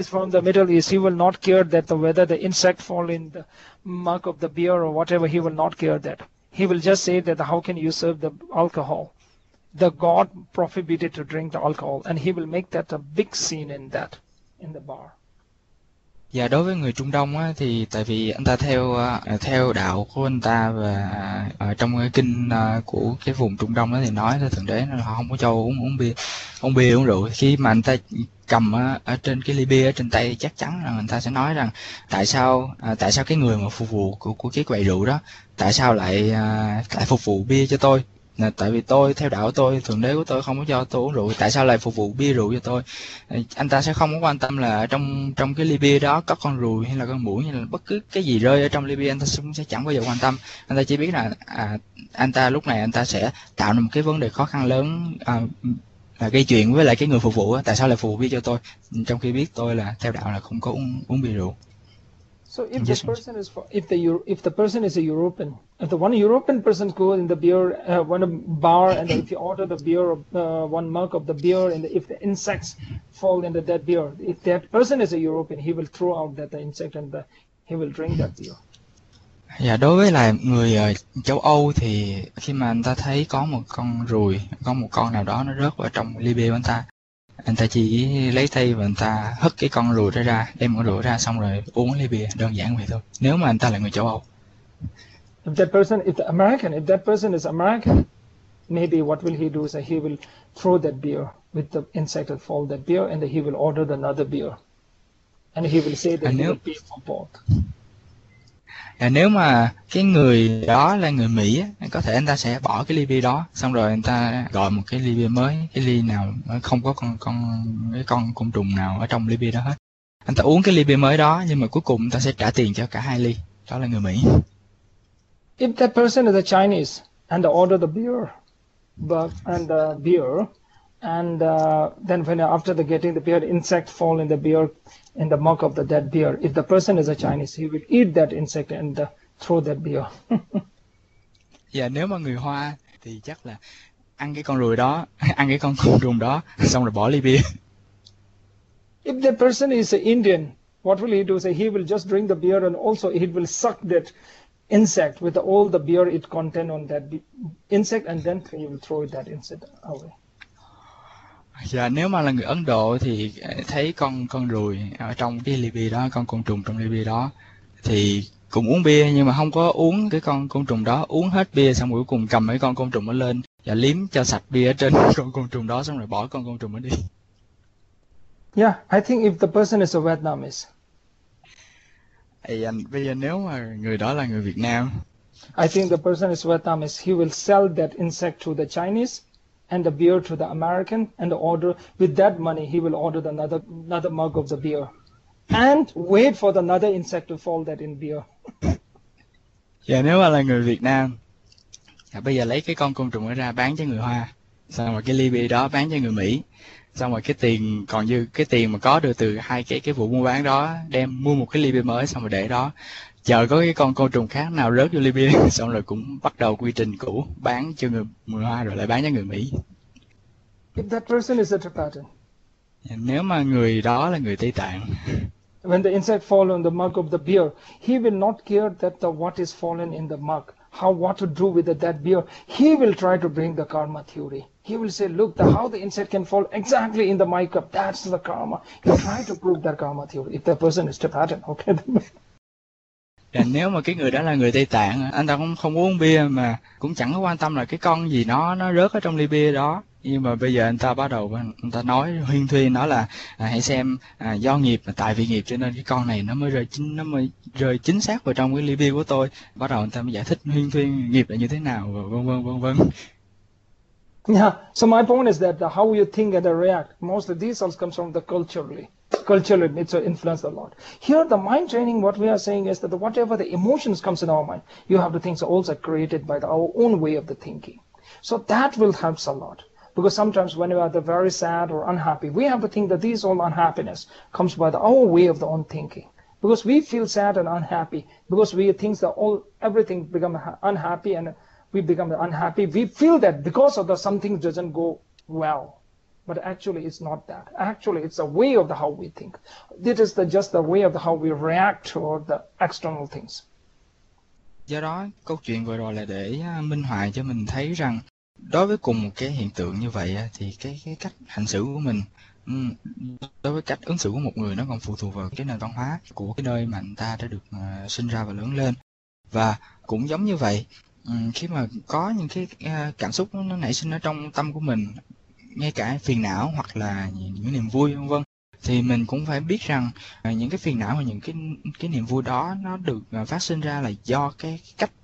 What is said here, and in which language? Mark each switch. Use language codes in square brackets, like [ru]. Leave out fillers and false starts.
[en] is from the Middle East, he will not care that the whether the insect fall in the mug of the beer or whatever, he will not care that. He will just say that how can you serve the alcohol? The God prohibited to drink the alcohol, and he will make that a big scene in that, in the bar. [vi] Dạ, đối với người Trung Đông á, thì tại vì anh ta theo theo đạo của anh ta, và ở trong cái kinh của cái vùng Trung Đông á, thì nói là Thượng Đế là họ không có cho uống bia uống rượu. Khi mà anh ta cầm ở trên cái ly bia ở trên tay, chắc chắn là người ta sẽ nói rằng tại sao cái người mà phục vụ của cái quầy rượu đó, tại sao lại lại phục vụ bia cho tôi. Là tại vì tôi theo đạo tôi, thượng đế của tôi không có cho tôi uống rượu, tại sao lại phục vụ bia rượu cho tôi? Anh ta sẽ không có quan tâm là trong trong cái ly bia đó có con ruồi hay là con muỗi hay là bất cứ cái gì rơi ở trong ly bia, anh ta cũng sẽ chẳng bao giờ quan tâm. Anh ta chỉ biết là anh ta lúc này anh ta sẽ tạo ra một cái vấn đề khó khăn lớn, gây chuyện với lại cái người phục vụ, tại sao lại phục vụ bia cho tôi trong khi biết tôi là theo đạo là không có uống uống bia rượu. [en] So if the Just person is for, if the person is a European, if the one European person goes in the beer one bar and if you order the beer one mug of the beer and if the insects fall into that beer, if that person is a European, he will throw out that the insect and the, he will drink that beer. [vi] Dạ, đối với lại người châu Âu thì khi mà anh ta thấy có một con ruồi, có một con nào đó nó rớt vào trong ly bia của anh ta chỉ lấy tay và anh ta hất cái con ruồi đó ra, đem con ruồi ra xong rồi uống ly bia, đơn giản vậy thôi. Nếu mà anh ta là người châu [en] If that person, if the American, if that person is American, maybe what will he do is that he will throw that beer with the insect that fall that beer, and he will order another beer, and he will say that he will [vi] nếu [en] pay for both. [vi] À, nếu mà cái người đó là người Mỹ có thể anh ta sẽ bỏ cái ly bia đó xong rồi anh ta gọi một cái ly bia mới, cái ly nào không có con côn trùng nào ở trong ly bia đó hết, anh ta uống cái ly bia mới đó nhưng mà cuối cùng anh ta sẽ trả tiền cho cả hai ly, đó là người Mỹ. [en] If that person is a Chinese and order the beer, but and beer, and then when after the getting the beer, insect fall in the beer, in the mug of the dead beer. If the person is a Chinese, he will eat that insect and throw that beer. [vi] Dạ, nếu mà người Hoa thì chắc là ăn cái con ruồi đó, ăn cái con côn trùng đó xong rồi bỏ ly bia. [en] If the person is an Indian, what will he do? Say he will just drink the beer and also he will suck that insect with all the beer it contain on that insect, and then you will throw that insect away. [vi] Dạ, nếu mà là người Ấn Độ thì thấy con ruồi ở trong cái ly bia đó, con côn trùng trong ly bia đó thì cũng uống bia nhưng mà không có uống cái con côn trùng đó, uống hết bia xong cuối cùng cầm mấy con côn trùng nó lên và liếm cho sạch bia ở trên con côn trùng đó xong rồi bỏ con côn trùng nó đi. [en] Yeah, I think if the person is a Vietnamese. [vi] Ê, anh, bây giờ nếu mà người đó là người Việt Nam [en] I think the person is Vietnamese. He will sell that insect to the Chinese and the beer to the American and order with that money he will order another mug of the beer and wait for the another insect to fall that in beer. [vi] dạ, nếu mà là người Việt Nam dạ, bây giờ lấy cái con côn trùng ấy ra bán cho người Hoa xong rồi cái ly bia đó bán cho người Mỹ xong rồi cái tiền còn dư, cái tiền mà có được từ hai cái vụ mua bán đó đem mua một cái ly bia mới xong rồi để đó chờ có cái con côn trùng khác nào rớt vô ly bia xong rồi cũng bắt đầu quy trình cũ, bán cho người Hoa rồi lại bán cho người Mỹ. [en] If that person is a Tibetan, [vi] Dạ, nếu mà người đó là người Tây Tạng [en] when the insect fall on the mug of the beer, he will not care that the what is fallen in the mug, how what to do with that beer. He will try to bring the karma theory. He will say, look, the how the insect can fall exactly in the mic cup. That's the karma. He'll try to prove that karma theory. If that person is Tibetan, okay. [vi] là nếu mà cái người đó là người Tây Tạng, anh ta cũng không uống bia mà cũng chẳng có quan tâm là cái con gì nó rớt ở trong ly bia đó, nhưng mà bây giờ anh ta bắt đầu anh ta nói huyên thuyên nó là hãy xem do nghiệp, tại vì nghiệp cho nên cái con này nó mới rơi chính xác vào trong cái ly bia của tôi, bắt đầu anh ta mới giải thích huyên thuyên nghiệp là như thế nào và vân vân vân vân. [en] Yeah, so my point is that the how you think and react, most of these also comes from the culturally. Culturally, it's influenced a lot. Here, the mind training, what we are saying is that whatever the emotions comes in our mind, you have to think so also created by our own way of the thinking. So that will helps a lot. Because sometimes when we are the very sad or unhappy, we have to think that these all unhappiness comes by our way of the own thinking. Because we feel sad and unhappy, because we think that all everything become unhappy and we become unhappy. We feel that because of the something doesn't go well, but actually it's not that. Actually, it's a way of the how we think. It is the just the way of the how we react toward the external things. [vi] Do đó câu chuyện vừa rồi là để minh họa cho mình thấy rằng đối với cùng một cái hiện tượng như vậy thì cái cách hành xử của mình, đối với cách ứng xử của một người nó còn phụ thuộc vào cái nền văn hóa của cái nơi mà anh ta đã được sinh ra và lớn lên. Và cũng giống như vậy, khi mà có những cái cảm xúc nó nảy sinh ở trong tâm của mình, ngay cả phiền não hoặc là những niềm vui vân vân, thì mình cũng phải biết rằng những cái phiền não và những cái niềm vui đó nó được phát sinh ra là do cái cách